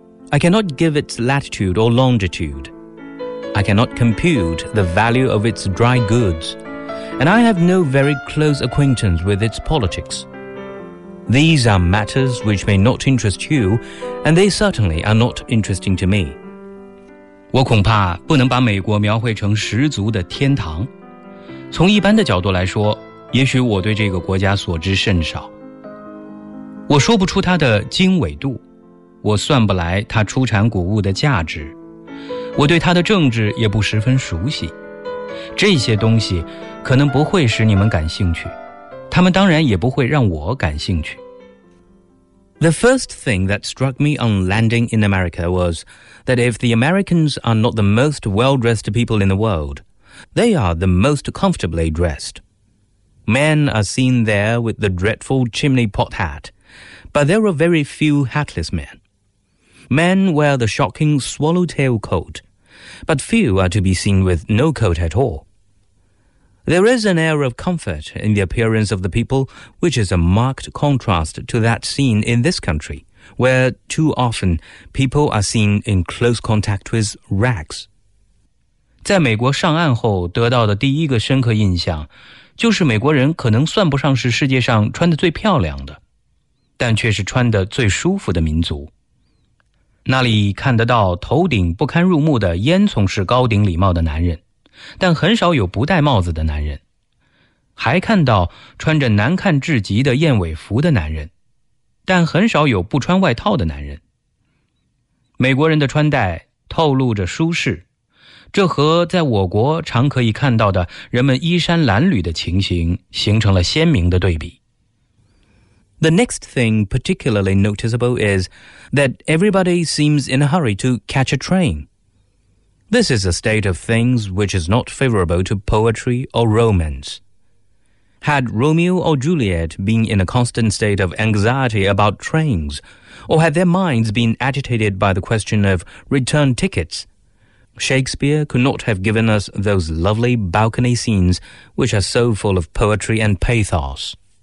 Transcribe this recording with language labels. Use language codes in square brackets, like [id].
[en] I cannot give its latitude or longitude. I cannot compute the value of its dry goods, and I have no very close acquaintance with its politics. These are matters which may not interest you, and they certainly are not interesting to me. [zh] 我恐怕不能把美国描绘成十足的天堂。从一般的角度来说，也许我对这个国家所知甚少，我说不出它的经纬度，我算不来它出产谷物的价值，我对它的政治也不十分熟悉，这些东西可能不会使你们感兴趣，他们当然也不会让我感兴趣。 [en] The first thing that struck me on landing in America was that if the Americans are not the most well-dressed people in the world, they are the most comfortably dressed. Men are seen there with the dreadful chimney pot hat, but there are very few hatless men. Men wear the shocking swallowtail coat, but few are to be seen with no coat at all. There is an air of comfort in the appearance of the people, which is a marked contrast to that seen in this country, where too often people are seen in close contact with rags. [zh] 在美国上岸后得到的第一个深刻印象，就是美国人可能算不上是世界上穿得最漂亮的，但却是穿得最舒服的民族。那里看得到头顶不堪入目的烟囱式高顶礼帽的男人，但很少有不戴帽子的男人，还看到穿着难看至极的燕尾服的男人，但很少有不穿外套的男人。美国人的穿戴透露着舒适，这和在我国常可以看到的人们衣衫褴褛的情形形成了鲜明的对比。 [en] The next thing particularly noticeable is that everybody seems in a hurry to catch a train. This is a state of things which is not favorable to poetry or romance. Had Romeo or Juliet been in a constant state of anxiety about trains, or had their minds been agitated by the question of return tickets, Shakespeare could not have given us those lovely balcony scenes which are so full of poetry and pathos.